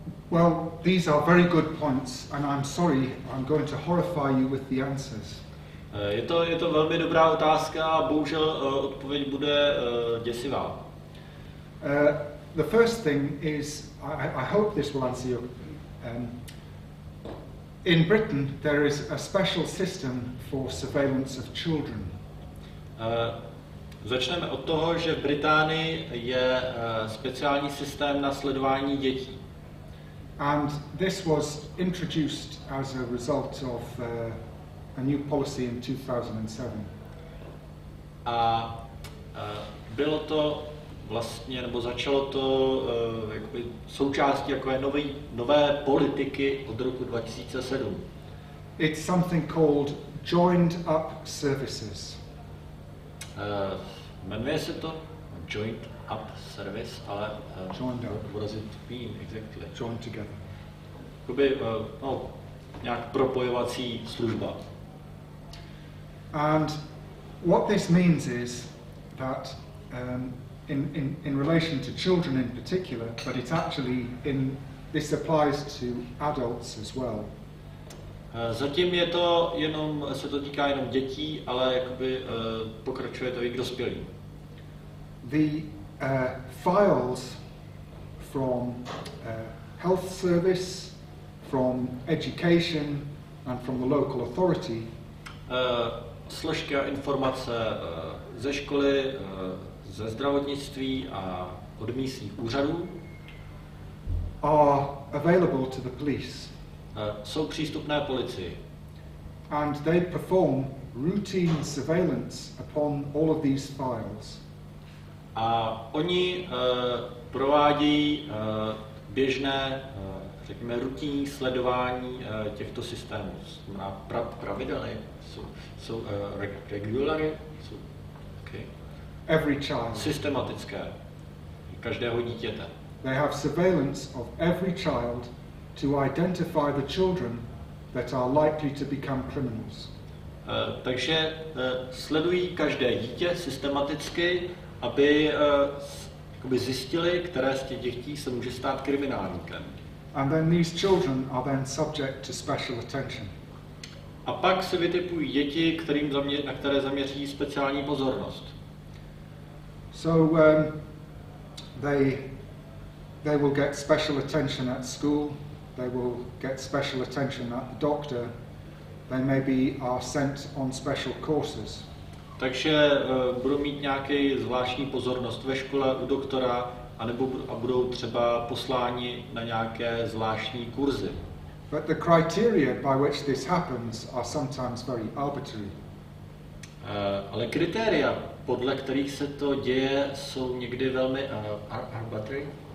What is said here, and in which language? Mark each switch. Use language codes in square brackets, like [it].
[en] Well, these are very good points and I'm sorry, I'm going to horrify you with the answers. [cs] Je to velmi dobrá otázka a bohužel odpověď bude děsivá. [en] The first thing is, I hope this will answer you. In Britain there is a special system for surveillance of children. [cs] Začneme od toho, že v Británii je speciální systém na sledování dětí. [en] And this was introduced as a result of a new policy in 2007. [cs] A bylo to vlastně, nebo začalo to jakoby součástí jako nové politiky od roku 2007. [en] It's something called joined up services. [cs] Jmenuje se to joined up service, ale [en] joined up. What does it mean exactly? Joined together. [cs] Jakoby, no, nějak propojovací služba. [en] And what this means is that in relation to children in particular, but it's actually in this applies to adults as well. [cs] Zatím je to jenom se to týká jenom dětí, ale jakoby pokračuje to i k dospělým. [en] The files from health service, from education and from the local authority. [cs] Složky a informace ze školy, ze zdravotnictví a od místních úřadů [en] are available to the police. [cs] Jsou přístupné policii. [en] And they perform routine surveillance upon all of these files. [cs] A oni provádí běžné, řekněme, rutinní sledování těchto systémů. Znamená pravidelné. Jsou regulary, jsou okay. [en] Every child. [cs] Systematické. Každého dítěte. [en] They have surveillance of every child to identify the children that are likely to become criminals. [cs] Takže sledují každé dítě systematicky, aby jakoby zjistili, které z těch dětí se může stát kriminálníkem. [en] And then these children are then subject to special attention. [cs] A pak se vytipují děti, na které zaměří speciální pozornost. [en] So they will get special attention at school. They will get special attention at the doctor. They maybe are sent on special courses. [cs] Takže budou mít nějaký zvláštní pozornost ve škole u doktora, anebo budou třeba posláni na nějaké zvláštní kurzy. [en] But the criteria by which this happens are sometimes very arbitrary. [cs] Ale kritéria, podle kterých se to děje, jsou někdy velmi arbitrary.